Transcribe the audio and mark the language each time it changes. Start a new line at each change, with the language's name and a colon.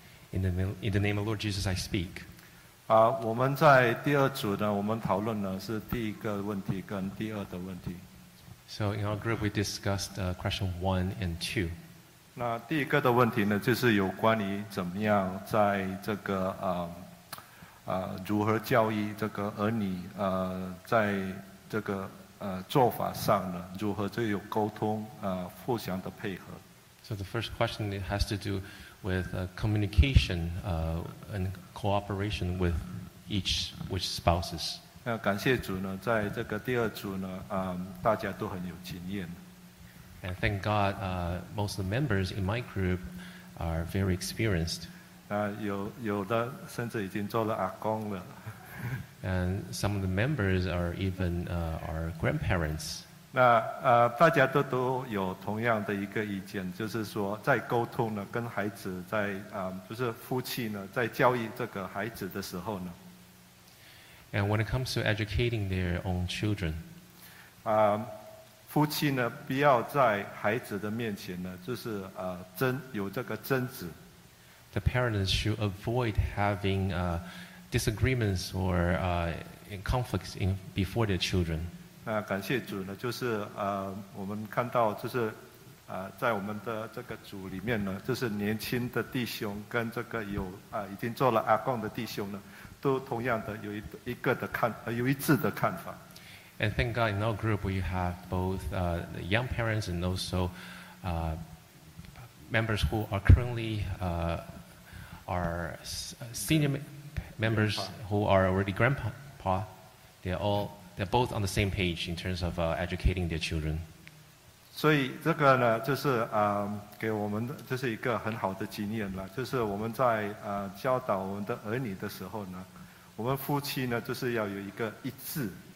English: In the name of Lord Jesus, I speak.
Chinese: 我们在第二组呢，我们讨论的是第一个问题跟第二的问题。
English: So in our group, we discussed question one and two.
Chinese: 那第一个的问题呢，就是有关于怎么样在这个如何教育这个儿女在这个做法上呢，如何就有沟通互相的配合。
English: So the first question it has to do with communication and cooperation with each spouses.
Chinese: 那感谢主呢，在这个第二组呢，大家都很有经验。
English: And thank God, most of the members in my group are very experienced.
Chinese: 有的甚至已经做了阿公了。
English: And some of the members are even our grandparents.
Chinese: 那大家都有同样的一个意见，就是说在沟通呢，跟孩子在就是夫妻呢，在教育这个孩子的时候呢。
English: And when it comes to educating their own children.
Chinese: 夫妻呢，不要在孩子的面前呢，就是有这个争执。
English: The parents should avoid having disagreements or conflicts before their children.
Chinese: 那感谢主呢，就是我们看到就是在我们的这个组里面呢，就是年轻的弟兄跟这个有已经做了阿公的弟兄呢，都同样的有一个的看有一致的看法。
English: And thank God in our group we have both the young parents and also members who are currently are senior members who are already grandpa. They're both on the same page in terms of educating their children.
Chinese: 所以这个呢，就是给我们就是一个很好的经验了，就是我们在教导我们的儿女的时候呢，我们夫妻呢就是要有一个一致。